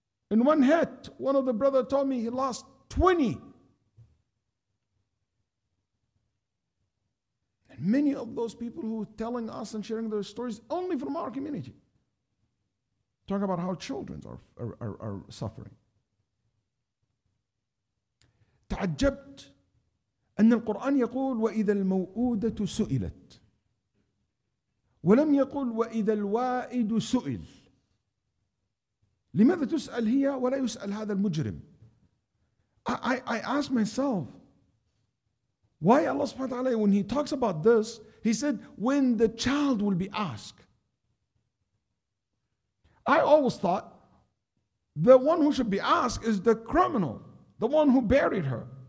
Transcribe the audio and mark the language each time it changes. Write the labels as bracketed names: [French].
[English] In one hit, one of the brothers told me he lost 20. And many of those people who are telling us and sharing their stories only from our community. Talk about how children are suffering. [Arabic] تعجبت أن القرآن يقول وإذا الموؤودة سئلت ولم يقول وإذا الوائد سئل. لماذا تسأل هي ولا يسأل هذا المجرم؟ [English] I ask myself, why Allah subhanahu wa ta'ala, when he talks about this, he said when the child will be asked. I always thought the one who should be asked is the criminal, the one who buried her.